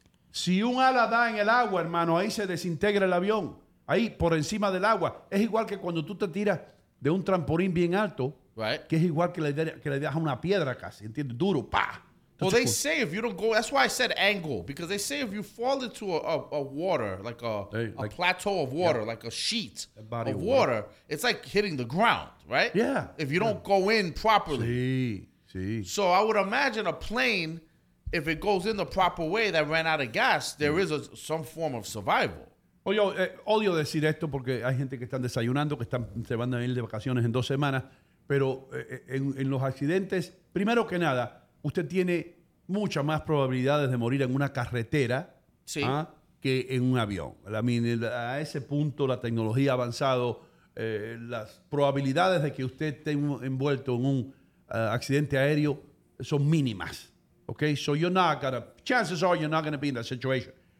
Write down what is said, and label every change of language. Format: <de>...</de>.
<es>Si un ala da en el agua, hermano, ahí se desintegra el avión, ahí por encima del agua. Es igual que cuando tú te tiras de un trampolín bien alto, que es igual que le dejas una piedra casi, ¿entiendes? Duro, ¡pah!</es> <en>Well, they say if you don't go, that's why I said angle, because they say if you fall into a water, like a plateau of water, like a sheet of water, it's like hitting the ground, right? Yeah. If you don't go in properly. See. So I would imagine a plane, if it goes in the proper way that ran out of gas, there is some form of survival.</en> <es>Oye, odio decir esto porque hay gente que están desayunando, que se van a ir de vacaciones en 2 semanas, pero en los accidentes, primero que nada, usted tiene muchas más probabilidades de morir en una carretera que en un avión. A ese punto, la tecnología ha avanzado. Las probabilidades de que usted esté envuelto en un accidente aéreo son mínimas.</es> <en>Okay? So you're not gonna, chances are you're not going to be in that situation.</en>